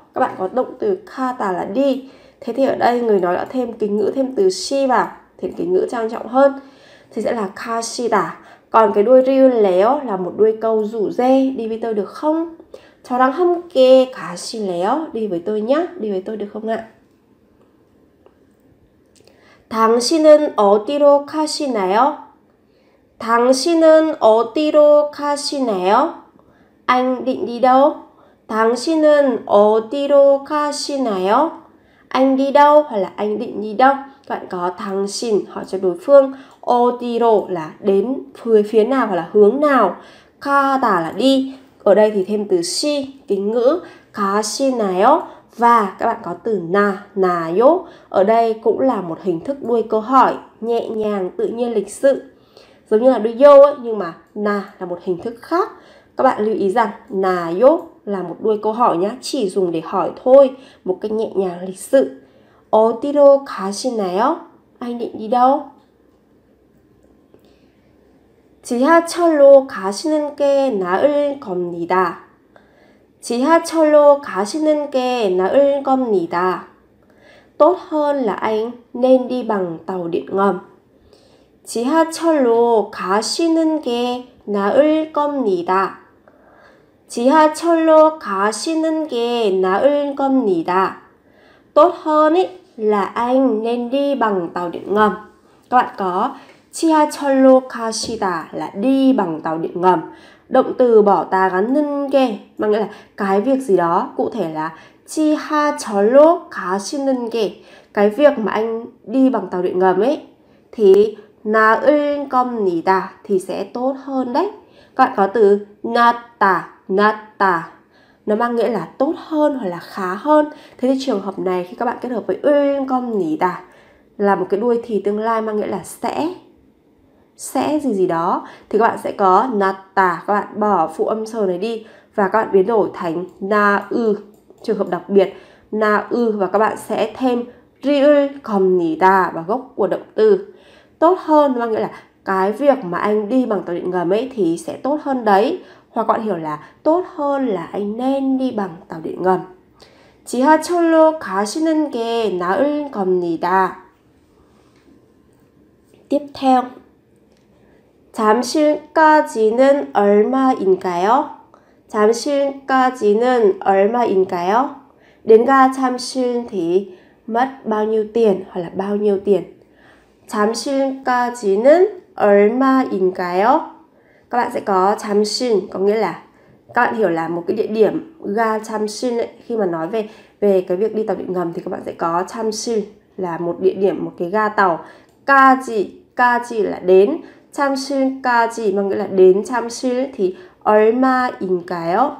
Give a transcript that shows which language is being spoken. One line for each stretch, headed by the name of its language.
Vietnamese: Các bạn có động từ 가다 là đi. Thế thì ở đây người nói đã thêm kính ngữ, thêm từ 시 vào, thêm kính ngữ trang trọng hơn thì sẽ là 가시다. Còn cái đuôi 리을래요 là một đuôi câu rủ rê. Đi với tôi được không?
Korean: 저랑 함께 가실래요?
Vietnamese: Đi với tôi nhé, đi với tôi được không ạ?
Korean: 당신은 어디로 가시나요? 당신은 어디로 가시나요?
Vietnamese: Anh định đi đâu?
Korean: 당신은 어디로 가시나요?
Vietnamese: Anh đi đâu? Hoặc là anh định đi đâu? Các bạn có 당신 hỏi cho đối phương. 어디로 là đến phía nào hoặc là hướng nào. 가다 là đi. Ở đây thì thêm từ 시, kính ngữ.
Korean: 가시나요?
Vietnamese: Và các bạn có từ 나요. Ở đây cũng là một hình thức đuôi câu hỏi nhẹ nhàng, tự nhiên, lịch sự. Giống như là đuôi yo ấy, nhưng mà na là một hình thức khác. Các bạn lưu ý rằng na yo là một đuôi câu hỏi nhá, chỉ dùng để hỏi thôi, một cách nhẹ nhàng lịch sự.
Korean: 어디로 가시나요?
Vietnamese: Anh định đi đâu?
Korean: 지하철로 가시는 게 나을 겁니다. 지하철로 가시는 게 나을 겁니다.
Vietnamese: Tốt hơn là anh nên đi bằng tàu điện ngầm.
Korean: 지하철로 가시는 게 나을 겁니다. 지하철로 가시는 게 나을 겁니다.
Vietnamese: Tốt hơn là anh nên đi bằng tàu điện ngầm. Các bạn có
Korean: 지하철로 가시다
Vietnamese: là đi bằng tàu điện ngầm. Động từ bỏ ta gắn 는 게 mà nghĩa là cái việc gì đó, cụ thể là
Korean: 지하철로 가시는 게,
Vietnamese: cái việc mà anh đi bằng tàu điện ngầm ấy thì
Korean: 나을 겁니다
Vietnamese: thì sẽ tốt hơn đấy. Các bạn có từ 낫다, 낫다 nó mang nghĩa là tốt hơn hoặc là khá hơn. Thế thì trường hợp này khi các bạn kết hợp với 을 겁니다 là một cái đuôi thì tương lai mang nghĩa là sẽ gì gì đó thì các bạn sẽ có 낫다, các bạn bỏ phụ âm sờ này đi và các bạn biến đổi thành 나으, trường hợp đặc biệt 나으, và các bạn sẽ thêm 리을 겁니다 vào gốc của động từ. Tốt hơn mang nghĩa là cái việc mà anh đi bằng tàu điện ngầm ấy thì sẽ tốt hơn đấy. Hoặc các bạn hiểu là tốt hơn là anh nên đi bằng tàu điện ngầm.
Korean: 지하철로 가시는 게 나을 겁니다.
Vietnamese: Tiếp theo.
Korean: 잠실까지는 얼마인가요? 잠실까지는 얼마인가요?
Vietnamese: Đến ga 잠실 thì mất bao nhiêu tiền hoặc là bao nhiêu tiền?
Korean: 잠실까지는 얼마인가요?
Vietnamese: Các bạn sẽ có 잠실 có nghĩa là, các bạn hiểu là một cái địa điểm ga 잠실 ấy, khi mà nói về cái việc đi tàu điện ngầm thì các bạn sẽ có 잠실 là một địa điểm, một cái ga tàu. 까지 là đến, 잠실까지 mà nghĩa là đến 잠실 thì 얼마인가요?